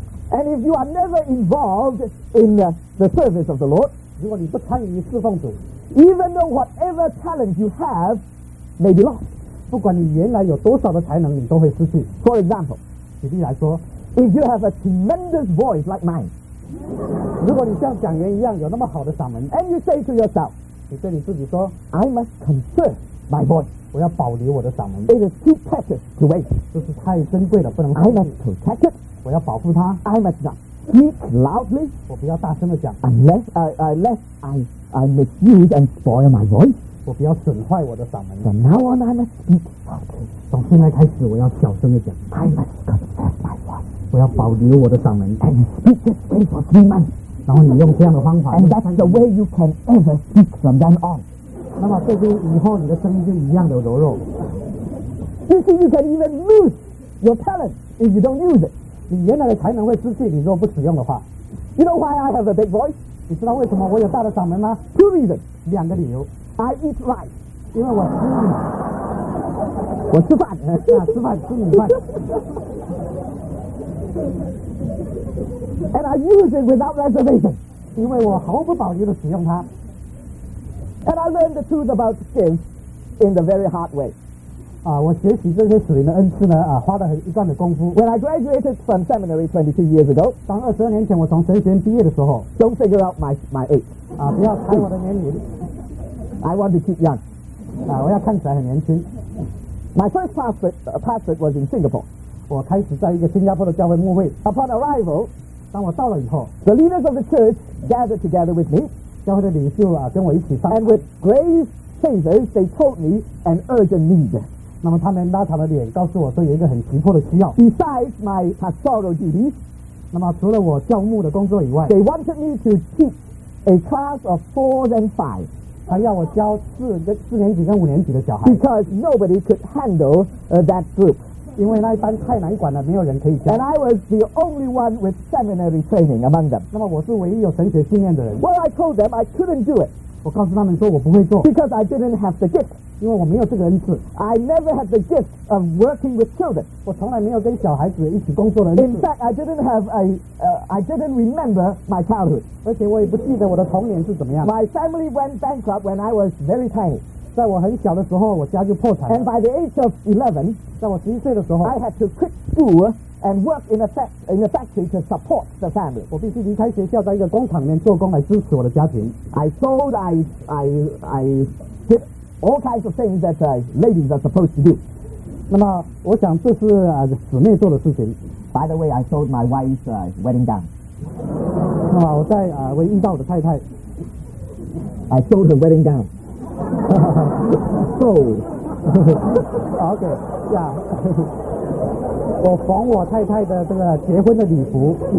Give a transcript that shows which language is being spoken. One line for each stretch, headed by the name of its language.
English: And if you are never involved in the service of the Lord
Chinese: 如果你不参与侍奉主
English: Even though whatever talent you have may be lost
Chinese: 不管你原来有多少的才能你都会失去
English: For example
Chinese: 举例来说
English: If you have a tremendous voice like mine
Chinese: 如果你像讲员一样有那么好的嗓门
English: And you say to yourself
Chinese: 你对你自己说
English: I must conserve my voice
Chinese: 我要保留我的嗓门
English: It is too precious to waste
Chinese: 就是太珍贵了不能
English: I must protect it
Chinese: 我要保护它
English: I must not speak loudly
Chinese: 我不要大声地讲
English: Unless I misuse and spoil my voice
Chinese: 我不要损坏我的嗓门
English: From now on I must speak loudly
Chinese: 从现在开始我要小声地讲
English: I must conserve my voice
Chinese: 我要保留我的嗓门
English: And speak this way for 3 months
Chinese: 然后你用这样的方法
English: And that's the way you can ever speak from then on
Chinese: 那么这就以后你的声音就一样的柔弱
English: You see you can even lose your talent if you don't use it
Chinese: 你原来的才能会失去你若不使用的话
English: You know why I have a big voice?
Chinese: 你知道为什么我有大的嗓门吗
English: Two reasons
Chinese: 两个理由
English: I eat rice
Chinese: 因为我吃米我吃饭吃饭吃米饭
English: And I use it without reservation.
Chinese: 因为我毫不保留地使用它。
English: And I learned the truth about gifts in the very hard way.
Chinese: 我学习这些属灵的恩赐呢，花了很一段的功夫。
English: When I graduated from seminary 22 years ago,
Chinese: 当二十二年前我从神学院毕业的时候
English: ，Don't figure out my age.
Chinese: 不要猜我的年龄。
English: I want to keep young.
Chinese: 我要看起来很年轻。
English: My first pastor was in Singapore.
Chinese: 我开始在一个新加坡的教会牧会
English: Upon arrival
Chinese: 当我到了以后
English: The leaders of the church gathered together with me
Chinese: 教会的领袖跟我一起上
English: And with grave faces they told me an urgent need
Chinese: 那么他们拉长了脸告诉我说有一个很急迫的需要
English: Besides my pastoral duties
Chinese: 那么除了我教牧的工作以外
English: They wanted me to teach a class of 4s and 5s
Chinese: 他要我教四年级跟五年级的小孩。
English: Because nobody could handle、that group.
Chinese: 因为那一班太难管了，没有人可以教。
English: And I was the only one with seminary training among them.
Chinese: 那么我是唯一有神学训练的人。
English: Well, I told them I couldn't do it.
Chinese: 我告诉他们说我不会做。
English: Because I didn't have the gift.
Chinese: 因为我没有这个恩赐。
English: I never had the gift of working with children.
Chinese: 我从来没有跟小孩子一起工作的恩
English: 赐。In fact, I didn't remember my childhood.
Chinese: 而且我也不记得我的童年是怎么样。
English: My family went bankrupt when I was very tiny.
Chinese: 在我很小的时候，我家就破产了。
English: And by the age of 11,
Chinese: 在我十一岁的时候
English: ，I had to quit school and work in a factory to support the family.
Chinese: 我必须离开学校，在一个工厂里面做工来支持我的家庭。
English: I sold. I did. All kinds of things that、ladies are supposed to do.
Chinese: 那么我想这是、姊妹做的事情。
English: By the way, I sold my wife's、wedding gown.
Chinese: 那么我在、我遇到我的太太。
English: I sold her wedding gown. Sold. Okay, yeah.
Chinese: 我缝我太太的这个结婚的礼服。